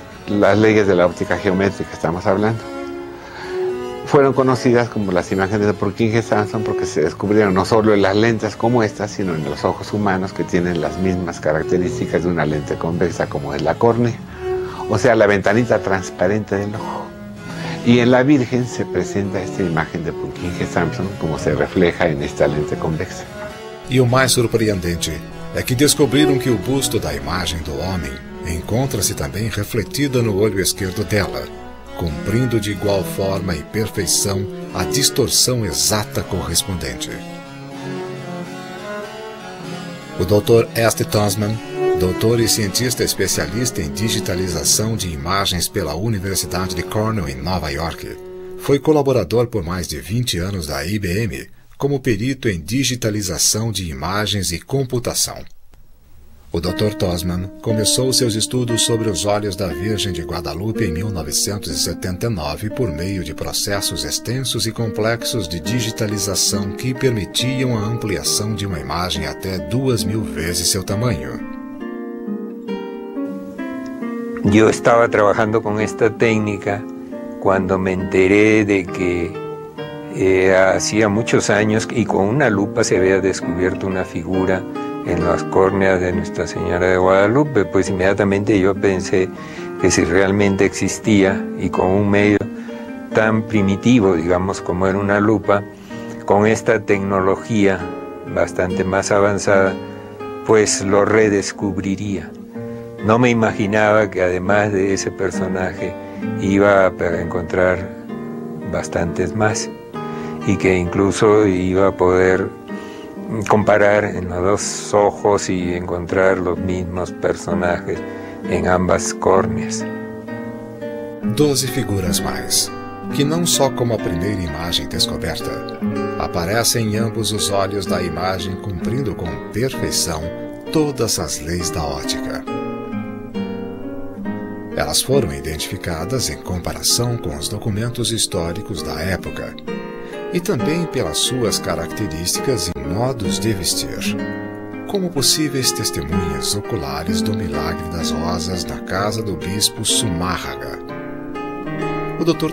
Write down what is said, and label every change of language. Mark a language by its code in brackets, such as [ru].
[es] Las leyes de la óptica geométrica estamos hablando. Fueron conocidas como las imágenes de Purkinje-Sanson porque se descubrieron no solo en las lentes como estas, sino en los ojos humanos que tienen las mismas características de una lente convexa como es la córnea, o sea, la ventanita transparente del ojo. Y en la Virgen se presenta esta imagen de Purkinje-Sanson como se refleja en esta lente convexa. Y lo más sorprendente es que descubrieron que el busto de la imagen del hombre [pt] encontra-se também refletida no olho esquerdo dela, cumprindo de igual forma e perfeição a distorção exata correspondente. O Dr. Este Tonsman, doutor e cientista especialista em digitalização de imagens pela Universidade de Cornell em Nova York, foi colaborador por mais de 20 anos da IBM como perito em digitalização de imagens e computação. O Dr. Tosman começou seus estudos sobre os olhos da Virgem de Guadalupe em 1979 por meio de processos extensos e complexos de digitalização que permitiam a ampliação de uma imagem até 2000 vezes seu tamanho. Eu estava trabalhando com esta técnica quando [es] me enteré de que hacía muchos años y con una lupa se había descubierto una figura en las córneas de Nuestra Señora de Guadalupe, pues inmediatamente yo pensé que si realmente existía y con un medio tan primitivo, digamos, como era una lupa, con esta tecnología bastante más avanzada, pues lo redescubriría. No me imaginaba que además de ese personaje iba a encontrar bastantes más y que incluso iba a poder comparar en los dos ojos y encontrar los mismos personajes en ambas córneas. 12 figuras más, [pt] que não só como a primeira imagem descoberta, aparece em ambos os olhos da imagem cumprindo com perfeição todas as leis da ótica. Elas foram identificadas em comparação com os documentos históricos da época e também pelas suas características e modos de vestir, como possíveis testemunhas oculares do milagre das rosas na casa do bispo Sumárraga. O Dr.